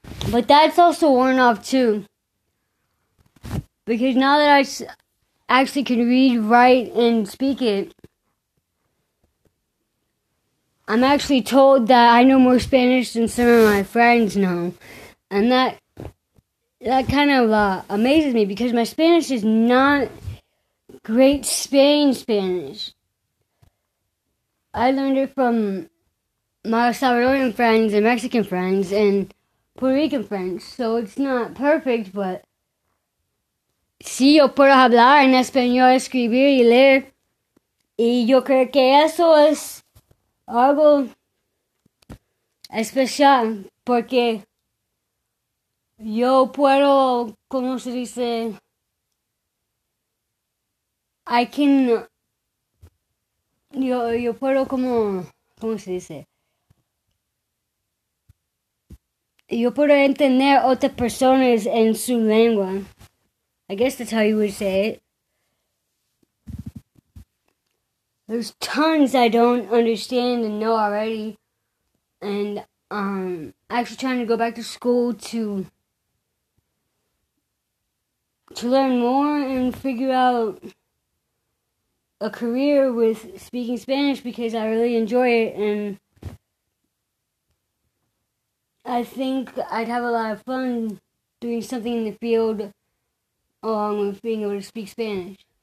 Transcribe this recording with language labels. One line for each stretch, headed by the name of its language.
English: But that's also worn off too. Because now that I actually can read, write, and speak it, I'm actually told that I know more Spanish than some of my friends know. And that kind of amazes me because my Spanish is not great Spanish. I learned it from my Salvadorian friends and Mexican friends and Puerto Rican friends, so it's not perfect, but
Spanish: sí, yo puedo hablar en español, escribir y leer. Y yo creo que eso es algo especial, porque yo puedo, ¿cómo se dice?
English: I can,
Spanish: yo puedo como, ¿cómo se dice? Yo puedo entender otras personas en su lengua.
English: I guess that's how you would say it. There's tons I don't understand and know already. And actually trying to go back to school to learn more and figure out a career with speaking Spanish because I really enjoy it and I think I'd have a lot of fun doing something in the field along with being able to speak Spanish.